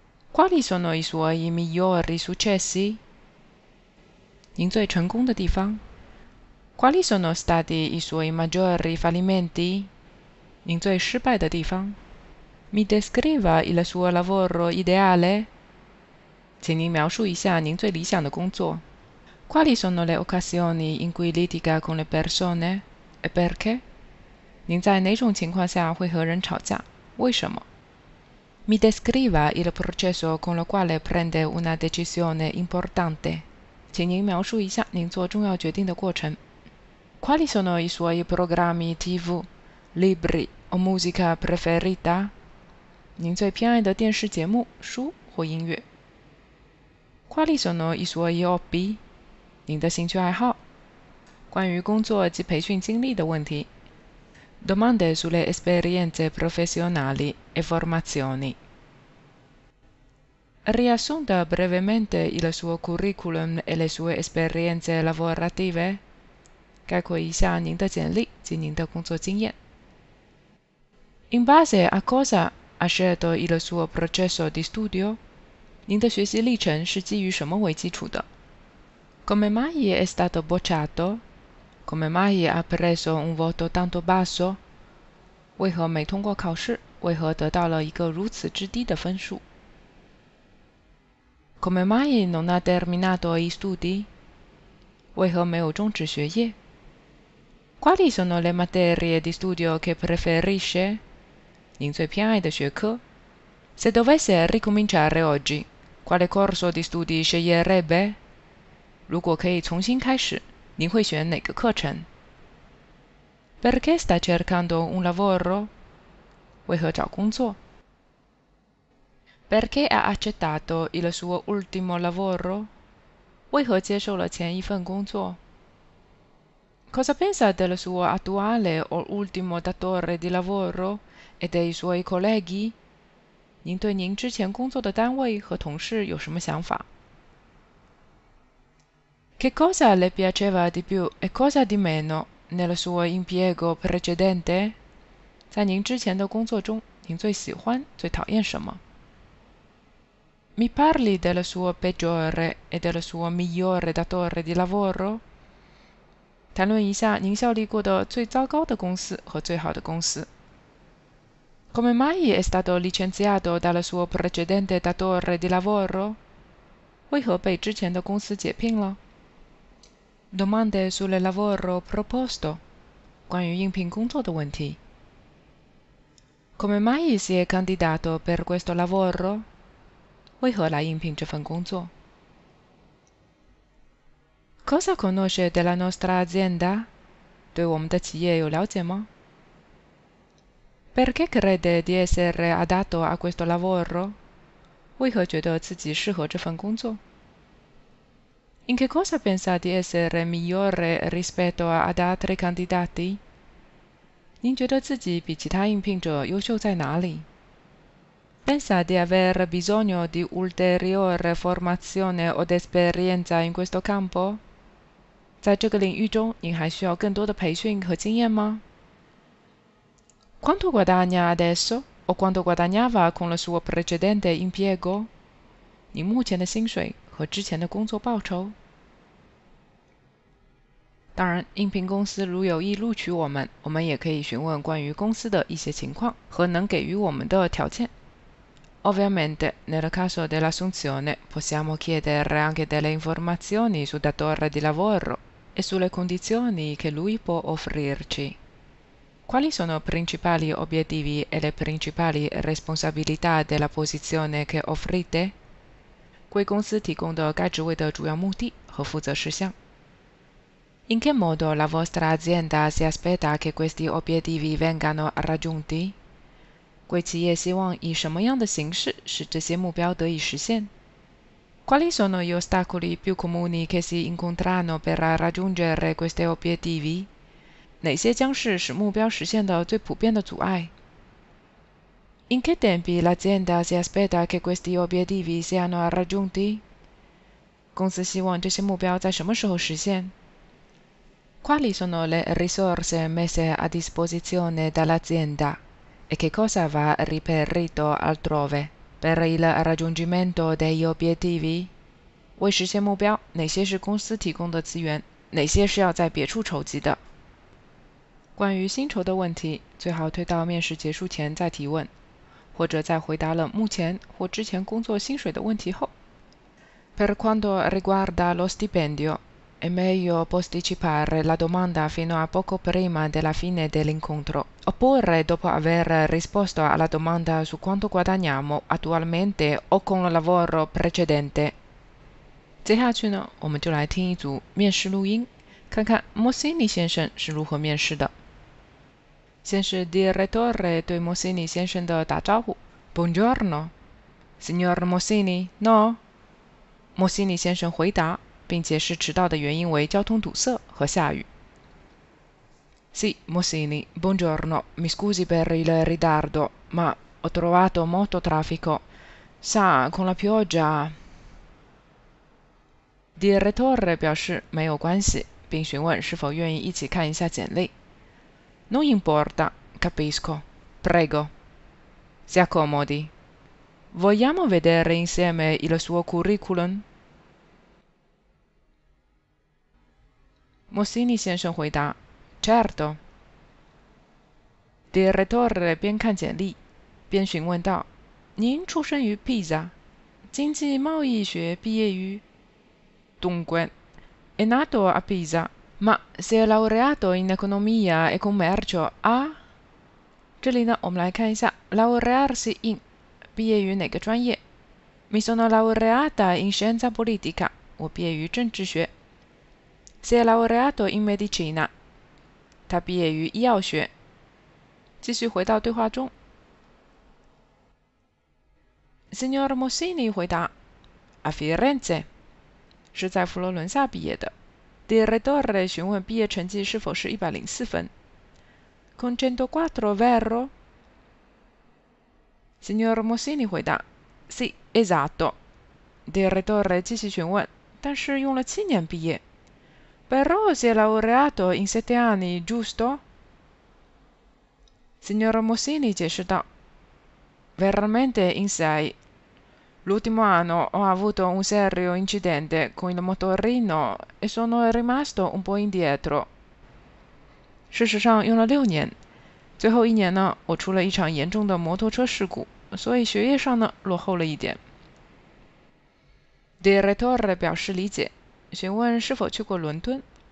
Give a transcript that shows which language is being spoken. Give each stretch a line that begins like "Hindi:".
Italian: Quali sono i suoi migliori successi?
Chinese: 您最成功的地方。
Italian: Quali sono stati i suoi maggiori fallimenti?
Chinese: 您最失败的地方。
Italian: Mi descriva il suo lavoro ideale?
Chinese: 请您描述一下您最理想的工作。
Italian: Quali sono le occasioni in cui litiga con le persone? E perché?
Chinese: 您在哪种情况下会和人吵架？为什么？
Italian: Mi descriva il processo con lo quale prende una decisione importante?
Chinese: 请您描述一下您做重要决定的过程。
Italian: Quali sono i suoi programmi TV, libri o musica preferita?
Chinese: 您最偏爱的电视节目、书或音乐。
Italian: Quali sono i suoi hobby?
Chinese: 您的兴趣爱好。关于工作及培训经历的问题。
Italian: Domande sulle esperienze professionali e formazioni. Riassunta brevemente il suo curriculum e le sue esperienze lavorative?
Chinese: 概括一下您的简历及您的工作经验。
Italian: In base a cosa ha scelto il suo processo di studio?
Chinese: 您的学习历程是基于什么为基础的？
Italian: Come mai è stato bocciato? Come mai ha preso un voto tanto basso?
Chinese: 为何没通过考试？为何得到了一个如此之低的分数？
Italian: Come mai non ha terminato i studi?
Chinese: 为何没有终止学业？
Italian: Quali sono le materie di studio che preferisce?
Chinese: 您最偏爱的学科？
Italian: Se dovesse ricominciare oggi, quale corso di studi sceglierebbe?
Chinese: 如果可以重新开始，您会选哪个课程？
Italian: Perché sta cercando un lavoro?
Chinese: 为何找工作？
Italian: Perché ha accettato il suo ultimo lavoro?
Chinese: 为何接受了前一份工作？
Italian: Cosa pensa del suo attuale o ultimo datore di lavoro e dei suoi colleghi?
Chinese: 您对您之前工作的单位和同事有什么想法？
Italian: Che cosa le piaceva di più e cosa di meno nel suo impiego precedente?
Chinese: 在您之前的工作中，您最喜欢、最讨厌什么？
Italian: Mi parli del suo peggiore e del suo migliore datore di lavoro?
Chinese: 谈论一下您效力过的最糟糕的公司和最好的公司。
Italian: Come mai è stato licenziato dal suo precedente datore di lavoro?
Chinese: 为何被之前的公司解聘了？
Italian: Domande sul lavoro proposto.
Chinese: 关于应聘工作的问题。
Italian: Come mai si è candidato per questo lavoro?
Chinese: 为何来应聘这份工作？
Italian: Cosa conosce della nostra azienda?
Chinese: 对我们的企业有了解吗？
Italian: Perché crede di essere adatto a questo lavoro?
Chinese: 为何觉得自己适合这份工作？
Italian: In che cosa pensa di essere migliore rispetto ad altri candidati?
Chinese: 您觉得自己比其他应聘者优秀在哪里？
Italian: Pensa di aver bisogno di ulteriore formazione o di esperienza in questo campo?
Chinese: 在这个领域中，您还需要更多的培训和经验吗？
Italian: Quanto guadagna adesso? O quanto guadagnava con lo suo precedente impiego?
Chinese: 您目前的薪水和之前的工作报酬？当然，应聘公司如有意录取我们，我们也可以询问关于公司的一些情况和能给予我们的条件。
Italian: Ovviamente, nel caso dell'assunzione, possiamo chiedere anche delle informazioni sul datore di lavoro e sulle condizioni che lui può offrirci. Quali sono i principali obiettivi e le principali responsabilità della posizione che offrite?
Chinese: 贵公司提供的该职位的主要目的和负责事项。
Italian: In che modo la vostra azienda si aspetta che questi obiettivi vengano raggiunti?
Chinese: 贵企业希望以什么样的形式使这些目标得以实现？
Italian: Quali sono gli ostacoli più comuni che si incontrano per raggiungere questi obiettivi?
Chinese: 哪些将是使目标实现的最普遍的阻碍？
Italian: In che tempi l'azienda si aspetta che questi obiettivi siano raggiunti?
Chinese: 公司希望这些目标在什么时候实现？
Italian: Quali sono le risorse messe a disposizione dall'azienda? E che cosa va reperito altrove per il raggiungimento degli obiettivi?
Chinese: 为实现目标，哪些是公司提供的资源，哪些是要在别处筹集的？关于薪酬的问题，最好推到面试结束前再提问，或者在回答了目前或之前工作薪水的问题后。
Italian: Per quanto riguarda lo stipendio, è meglio posticipare la domanda fino a poco prima della fine dell'incontro. Oppure dopo aver risposto alla domanda su quanto guadagniamo attualmente o con il lavoro precedente.
Chinese: 接下去呢，我们就来听一组面试录音，看看Mosini先生是如何面试的。先是 direttore 对Mosini先生的打招呼
Italian: ，Buongiorno, signor Mosini, no.
Chinese: Mosini先生回答，并解释迟到的原因为交通堵塞和下雨。
Italian: Sì, Mosini, buongiorno, mi scusi per il ritardo, ma ho trovato molto traffico. Sa, con la pioggia...
Chinese: Direttore 表示没有关系，并询问是否愿意一起看一下简历。
Italian: Non importa, capisco. Prego. Si accomodi. Vogliamo vedere insieme il suo curriculum?
Chinese: Mosini 先生回答。
Italian: Certo.
Chinese: Direttore 边看简历，边询问道：“您出生于 Pisa， 经济贸易学毕业于
Italian: ……”Dunque, è nato a Pisa, ma si è laureato in economia e commercio a……
Chinese: 这里呢，我们来看一下
Italian: laurearsi in，
Chinese: 毕业于哪个专业
Italian: ？Mi sono laureata in scienza politica，
Chinese: 我毕业于政治学。
Italian: Si è laureato in medicina。
Chinese: 他毕业于医药学。继续回到对话中。 Signor Mosini 回答
Italian: ：“A Firenze，
Chinese: 是在佛罗伦萨毕业的。 ”Direttore 询问毕业成绩是否是104分。
Italian: “Con 104 vero？”
Chinese: Signor Mosini 回答
Italian: ：“Sì, esatto。
Chinese: ”Direttore 继续询问：“但是用了七年毕业。”
Italian: Però si è laureato in 7 anni, giusto?
Chinese: Signor Mosini 解释道
Italian: Veramente in 6. L'ultimo anno ho avuto un serio incidente con il motorino e sono rimasto un po' indietro,
Chinese: 事实上用了6年，最后一年呢，我出了一场严重的摩托车事故，所以学业上呢落后了一点。 Direttore 表示理解，询问是否去过伦敦。